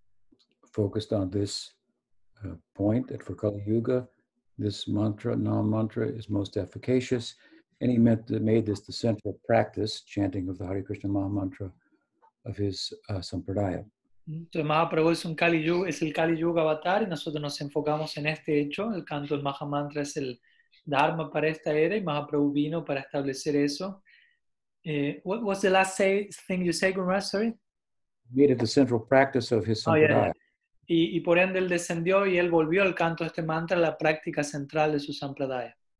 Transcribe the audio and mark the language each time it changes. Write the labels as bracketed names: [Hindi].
[English] He focused on this point that for Kali Yuga, this mantra, Nam mantra, is most efficacious. And he meant that made this the central practice, chanting of the Hare Krishna Maha Mantra of his Sampradaya. [Spanish] Entonces, Mahaprabhu es, el Kali Yuga avatar, y nosotros nos enfocamos en este hecho. El canto del Maha Mantra es el Dharma para esta era, y Mahaprabhu vino para establecer eso. [English] What was the last thing you said, Gurmaj? Sorry? He made it the central practice of his Sampradaya. Oh, yeah. [Spanish] Y por ende, él descendió y él volvió al canto de este mantra, la práctica central de su Sampradaya.